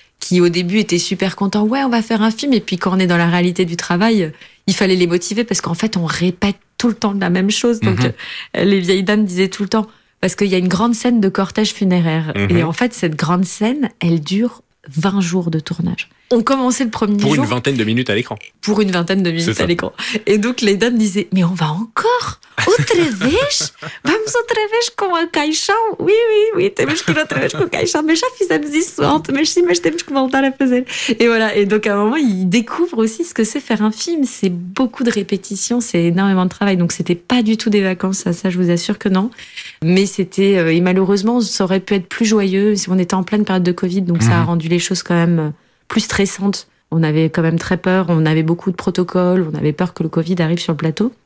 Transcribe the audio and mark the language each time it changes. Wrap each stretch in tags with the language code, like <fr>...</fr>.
<fr>qui au début étaient super contents, ouais, on va faire un film, et puis quand on est dans la réalité du travail, il fallait les motiver, parce qu'en fait, on répète tout le temps la même chose. Donc, les vieilles dames disaient tout le temps, parce qu'il y a une grande scène de cortège funéraire. Et en fait, cette grande scène, elle dure 20 jours de tournage. On commençait le premier jour... Pour une vingtaine de minutes à l'écran. Pour une vingtaine de minutes à l'écran. Et donc, les dames disaient, mais on va encore</fr> <pt>outre vez? Vamos outra vez com a caixão? Oui, temos que ir outra vez com a caixão. Mas já fizemos isso antes, mas sim, mas temos que voltar a fazer.</pt> <fr>Et voilà. Et donc, à un moment, ils découvrent aussi ce que c'est faire un film. C'est beaucoup de répétitions, c'est énormément de travail. Donc, c'était pas du tout des vacances, ça, je vous assure que non. Mais c'était... Et malheureusement, ça aurait pu être plus joyeux si on était en pleine période de Covid. Donc, ça a rendu les choses quand même... plus stressante. On avait quand même très peur, on avait beaucoup de protocoles, on avait peur que le Covid arrive sur le plateau.</fr>